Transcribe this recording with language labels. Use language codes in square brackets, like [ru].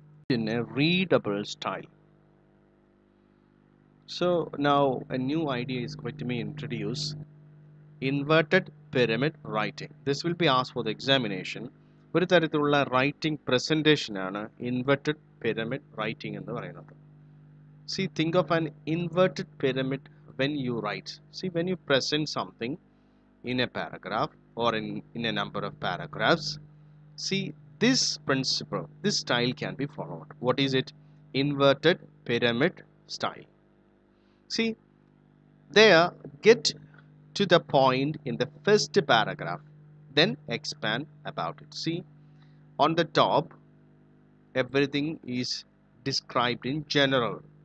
[en] In a readable style. So now a new idea is going to be introduced. Inverted pyramid writing. This will be asked for the examination. [ml] ഒരു തരത്തിലുള്ള writing പ്രസൻറ്റേഷനാണ് inverted pyramid writing എന്ന് പറയുന്നത്. [en] See think of an inverted pyramid when you write. See when you present something in a paragraph or in a number of paragraphs. See this principle, this style can be followed. What is it? Inverted pyramid style. See they are get to the point in the first paragraph, then expand about it. See, on the top, everything is described in general.